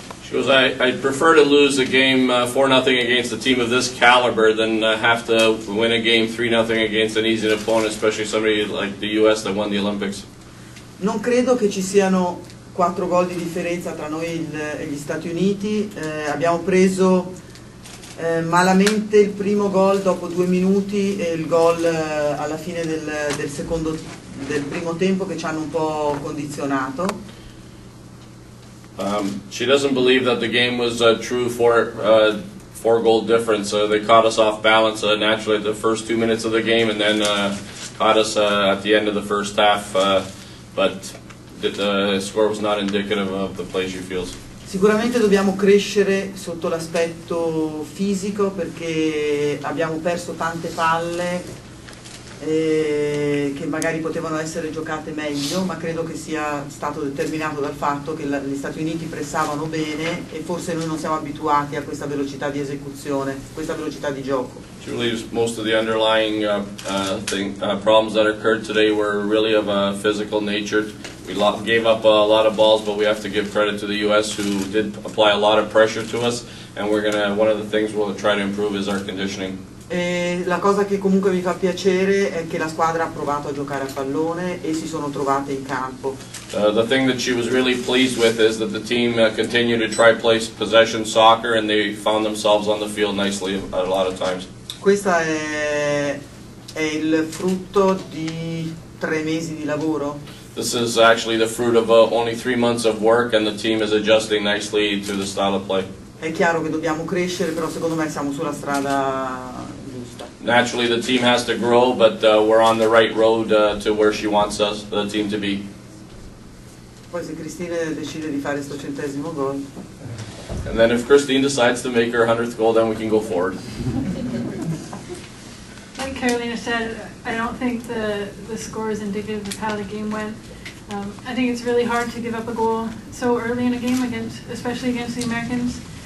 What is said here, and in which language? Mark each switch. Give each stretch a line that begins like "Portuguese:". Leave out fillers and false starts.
English: She goes, I'd prefer to lose a game 4-0 against a team of this caliber than have to win a game 3-0 against an easy opponent, especially somebody like the US that won the Olympics.
Italian: Non credo che ci siano 4 gol di differenza tra noi e gli Stati Uniti. Abbiamo preso malamente il primo gol dopo 2 minuti e il gol alla fine del primo tempo che ci hanno un po' condizionato.
English: She doesn't believe that the game was a true four goal difference. They caught us off balance naturally the first 2 minutes of the game, and then caught us at the end of the first half. But the score was not indicative of the play she feels.
Italian: Sicuramente dobbiamo crescere sotto l'aspetto fisico perché abbiamo perso tante palle che magari potevano essere giocate meglio, ma credo che sia stato determinato dal fatto che gli Stati Uniti pressavano bene e forse noi non siamo abituati a questa velocità di esecuzione, questa velocità di gioco.
English: Leaves most of the underlying problems that occurred today were really of a physical nature. We lo gave up a lot of balls, but we have to give credit to the US who did apply a lot of pressure to us, and one of the things we'll try to improve is our conditioning.
Italian: E la cosa che comunque mi fa piacere è che la squadra ha provato a giocare a pallone e si sono trovate in campo.
English: The thing that she was really pleased with is that the team continued to try place possession soccer, and they found themselves on the field nicely a lot of times.
Italian: Questa è il frutto di 3 mesi di lavoro?
English: This is actually the fruit of only 3 months of work, and the team is adjusting nicely to the style of play.
Italian: È chiaro che dobbiamo crescere, però secondo me siamo sulla strada giusta.
English: Naturally, the team has to grow, but we're on the right road to where she wants us, the team to be.
Italian: Poi se Cristina decide di fare sto centesimo gol.
English: And then if Christine decides to make her 100th goal, then we can go forward. Like Carolina said, I don't think the score is indicative of how the game went. I think it's really hard to give up a goal so early in a game especially against the Americans.